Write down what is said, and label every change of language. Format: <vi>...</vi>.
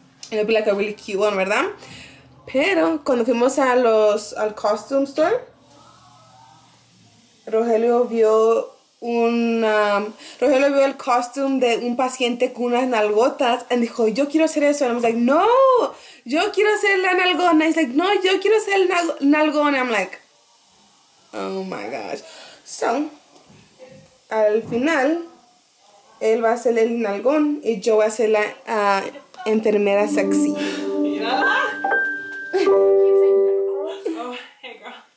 <es>It would be like a really cute one, ¿verdad? Pero cuando fuimos al costume store, Rogelio vio el costume de un paciente con unas nalgotas y dijo, yo quiero hacer eso. And I was like, no, yo quiero ser la nalgona.</es> <en>He's like, no, yo quiero ser la nalgona. I'm like, oh my gosh.</en> <es>So, al final, él va a ser el nalgón y yo voy a ser la enfermera sexy.</es> <en>Mira. Keep saying that, girl. Oh, hey, girl.</en>